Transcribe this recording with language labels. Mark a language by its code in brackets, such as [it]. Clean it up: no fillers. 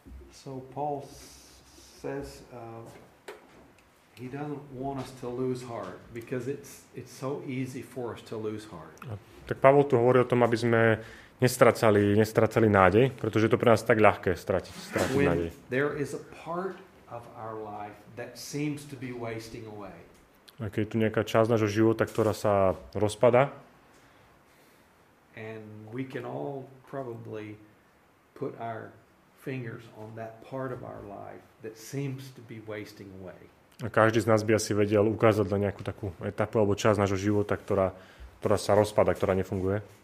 [en] So Paul says he doesn't want us to lose heart because it's so easy for us to lose heart. [sk] Tak Pavol tu hovorí o tom, aby sme nestracali nádej, pretože to pre nás tak ľahké stratiť nádej. [en] There is a part of our life that seems to be wasting away. [sk] Ako je tu nejaká časť nášho života, ktorá sa rozpadá. [en] And we can all probably put our fingers on that part of our life that seems to be wasting away. [sk] A každý z nás by asi vedel ukázať na nejakú takú etapu alebo časť nášho života, ktorá sa rozpadá, ktorá nefunguje.